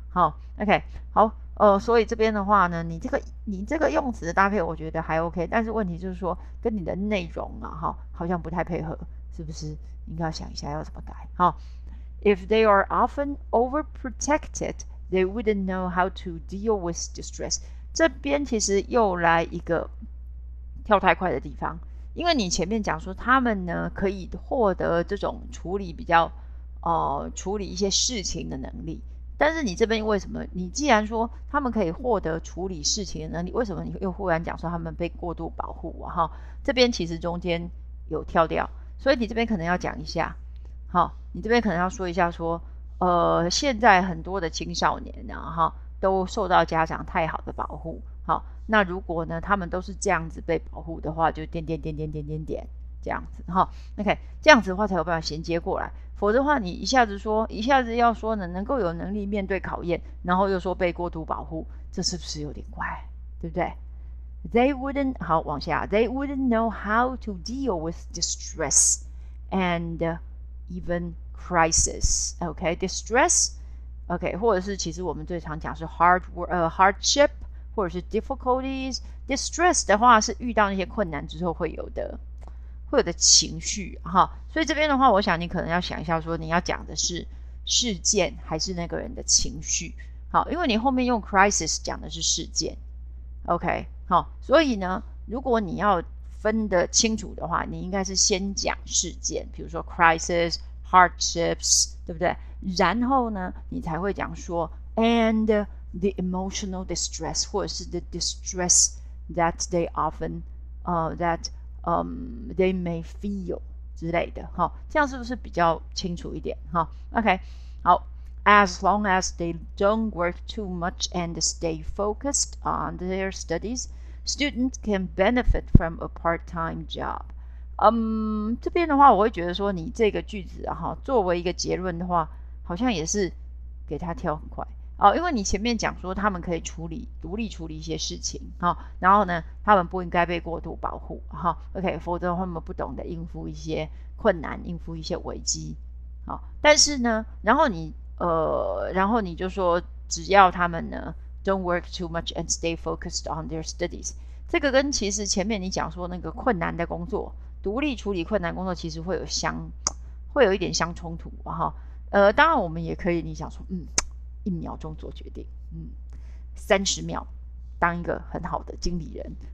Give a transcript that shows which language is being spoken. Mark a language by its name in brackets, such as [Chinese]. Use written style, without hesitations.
[Chinese] 好，OK，好，所以这边的话呢，你这个用词的搭配，我觉得还 OK，但是问题就是说，跟你的内容啊，哈，好像不太配合，是不是？应该要想一下要怎么改。 [English] 好，If they are often overprotected, they wouldn't know how to deal with distress。 [Chinese] 这边其实又来一个跳太快的地方，因为你前面讲说他们呢可以获得这种处理比较处理一些事情的能力，但是你这边为什么你既然说他们可以获得处理事情的能力，为什么你又忽然讲说他们被过度保护啊？哈，这边其实中间有跳掉，所以你这边可能要讲一下，好，你这边可能要说一下说，现在很多的青少年啊，都受到家长太好的保护，好，那如果呢，他们都是这样子被保护的话，就点点点点点点点这样子，哈，OK，这样子的话才有办法衔接过来，否则的话，你一下子说，一下子要说呢，能够有能力面对考验，然后又说被过度保护，这是不是有点怪，对不对？ [English] They wouldn't [Chinese] 好，往下。 [English] They wouldn't know how to deal with distress and even crisis. [Chinese] Okay, distress. Okay, 或者是其实我们最常讲是 hardship 或者是 difficulties. Distress 的话是遇到那些困难之后会有的情绪哈。所以这边的话，我想你可能要想一下，说你要讲的是事件还是那个人的情绪？好，因为你后面用 crisis 讲的是事件。OK。好，所以呢，如果你要分得清楚的话，你应该是先讲事件，比如说 crisis, hardships，对不对？然后呢，你才会讲说 [English] and the emotional distress， [Chinese] 或者是 [English] the distress that they often，they may feel [Chinese] 之类的。哈，这样是不是比较清楚一点？哈，OK，好。 [English] As long as they don't work too much and stay focused on their studies。 Students can benefit from a part-time job。 [Chinese] 这边的话，我会觉得说，你这个句子哈，作为一个结论的话，好像也是给他跳很快哦，因为你前面讲说他们可以处理独立处理一些事情哈，然后呢，他们不应该被过度保护哈。 OK，否则他们不懂得应付一些困难，应付一些危机。好，但是呢，然后你就说，只要他们呢。 [English] Don't work too much and stay focused on their studies。 [Chinese] 这个跟其实前面你讲说那个困难的工作，独立处理困难工作，其实会有一点相冲突哈。当然我们也可以，你想说，一秒钟做决定，30秒当一个很好的经理人。